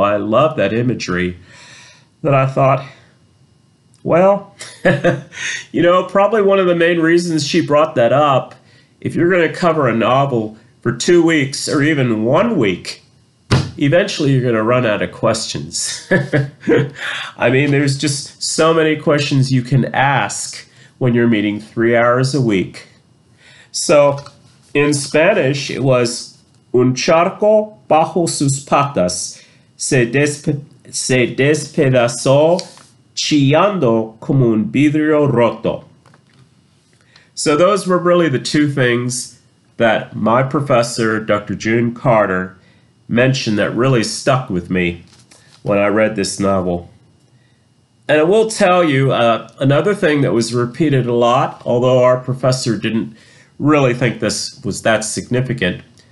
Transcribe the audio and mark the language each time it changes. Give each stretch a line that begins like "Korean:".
English: I love that imagery that I thought, well, you know, probably one of the main reasons she brought that up, if you're going to cover a novel for 2 weeks or even 1 week, eventually you're going to run out of questions. I mean, there's just so many questions you can ask when you're meeting 3 hours a week. So in Spanish, it was
Spanish: un charco bajo sus patas se despedazó chillando como un vidrio roto.
English: So those were really the two things that my professor, Dr. June Carter, mentioned that really stuck with me when I read this novel. And I will tell you another thing that was repeated a lot, although our professor didn't really think this was that significant.